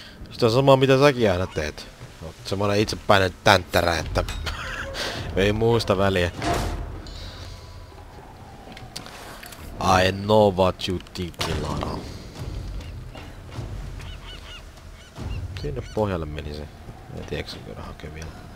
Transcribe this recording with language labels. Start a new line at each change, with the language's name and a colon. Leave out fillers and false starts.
Finnish: Sitä samaa mitä säkin aina teet. Oot semmonen itsepäinen tänttärä, että ei muista väliä.
English: I know what you think, Lara.
Finnish: Sinne pohjalle meni se. En tiedä, eikö se hakee vielä.